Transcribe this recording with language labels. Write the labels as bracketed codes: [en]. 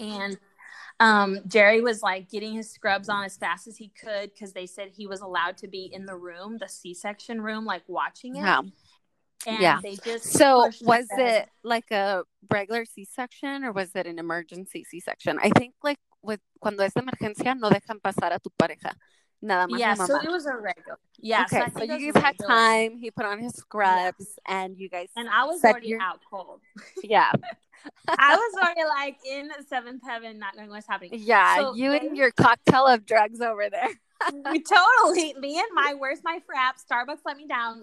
[en] And Jerry was like getting his scrubs on as fast as he could because they said he was allowed to be in the room, the C-section room, like watching it. It like a regular C-section or was it an emergency C-section? I think like with [es] cuando es emergencia no dejan pasar a tu pareja nada más. [en] Yeah, so it was a regular. Yeah, okay. So you guys had time. He put on his scrubs, yeah. And you guys and I was already out cold. Yeah. I was already like in seventh heaven, not knowing what's happening. Yeah, so, you and your cocktail of drugs over there. Totally. Me and my, where's my frap? Starbucks let me down.